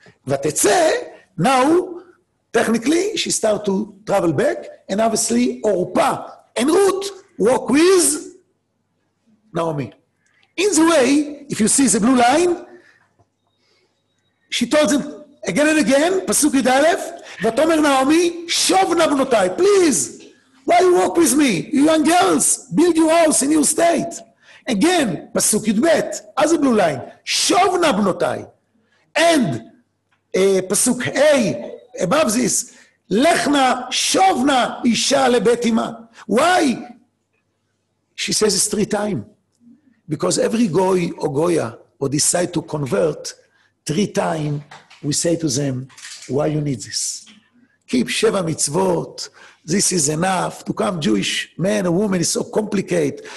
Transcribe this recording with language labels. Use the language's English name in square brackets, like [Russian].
[English] Vatetze, now, technically, she start to travel back, and obviously, Orpah and Ruth walk with Naomi. In the way, if you see the blue line, She told them again and again, פסוק יד א', [Hebrew] ותאמר נעמי, שוב נא בנותיי, [English] please, why you walk with me? You young girls, build your house in your state. Again, פסוק יד ב', as a blue line, [Hebrew] שוב נא בנותיי. [English] And, [Hebrew] פסוק A, [English] above this, [Hebrew] לך נא, שוב נא אישה לבית אמה. [English] Why? She says it's three times. Because every goy or goya will decide to convert three times we say to them, why you need this? Keep Sheva mitzvot, this is enough. To come Jewish man or woman is so complicated.